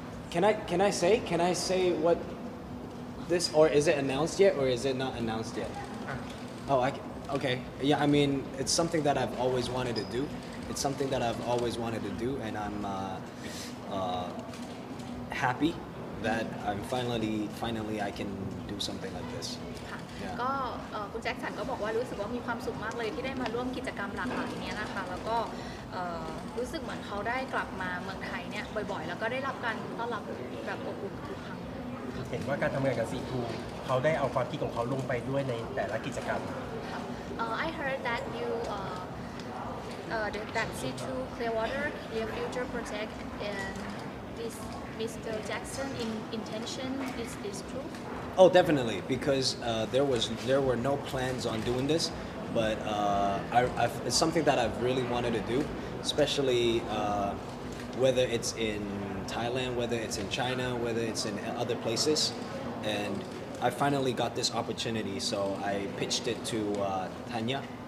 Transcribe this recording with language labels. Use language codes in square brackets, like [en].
[en] Can I say what this, or is it announced yet, or is it not announced yet? Oh, okay. Yeah, I mean, it's something that I've always wanted to do. And I'm happy that I'm finally I can do something like this. [th] ก็คุณแจ็คสันก็บอกว่ารู้สึกว่ามีความสุขมากเลยที่ได้มาร่วมกิจกรรมหลากหลายเนี้ยนะคะแล้วก็รู้สึกเหมือนเขาได้กลับมาเมืองไทยเนี้ยบ่อยๆแล้วก็ได้รับการต้อนรับแบบอบอุ่นทุกครั้ง เห็นว่าการทำงานกับ C2 เขาได้เอาความคิดของเขาลงไปด้วยในแต่ละกิจกรรม [en] I heard that youThat C2 Clearwater, their future project, and this Mr. Jackson intention, is this true? Oh, definitely, because there were no plans on doing this, but it's something that I've really wanted to do, especially whether it's in Thailand, whether it's in China, whether it's in other places, and I finally got this opportunity, so I pitched it to Tanya.